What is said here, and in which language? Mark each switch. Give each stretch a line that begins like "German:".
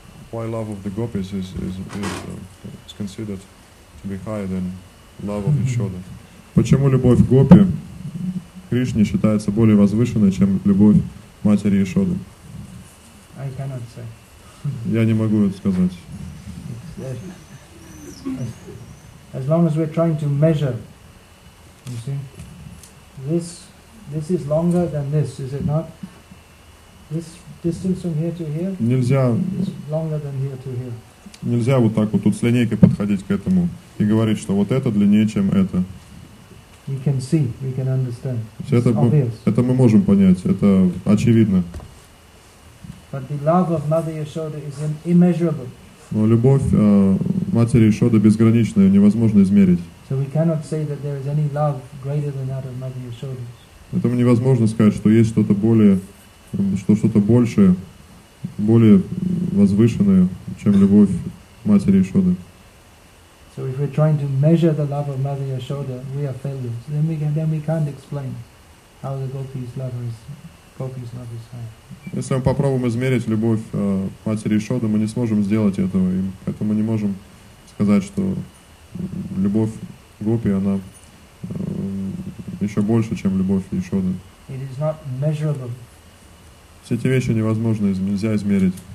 English: Why love of the gopis is considered to be higher than love of Yashoda?
Russian: Почему любовь к гопи Кришне считается более возвышенной, чем любовь матери Яшоды?
English: I cannot say.
Russian: Я не могу это сказать.
English: As long as we're trying to measure, you see, this is longer than this, is it not? This distance from here to here is longer than here to here.
Russian: Нельзя вот так вот тут с линейкой подходить к этому и говорить, что вот это длиннее, чем это.
English: We can see, we can understand.
Russian: Это мы можем понять, это очевидно.
English: But the love of Mother Yashoda is immeasurable.
Russian: Но любовь матери Яшоды безграничная, невозможно измерить.
English: So we cannot say that there is any love greater than that of Mother Yashoda.
Russian: Поэтому невозможно сказать, что есть что-то более, что-то большее, более возвышенное, чем любовь матери Яшоды.
English: So if we're trying to measure the love of Mother Yashoda, we are failures. Then we can't explain how the gopis' love is.
Russian: Если мы попробуем измерить любовь матери Яшоды, мы не сможем сделать этого, и поэтому не можем сказать, что любовь гопи, она еще больше, чем любовь Яшоды.
English: It is not measurable.
Russian: Все эти вещи невозможно, нельзя измерить.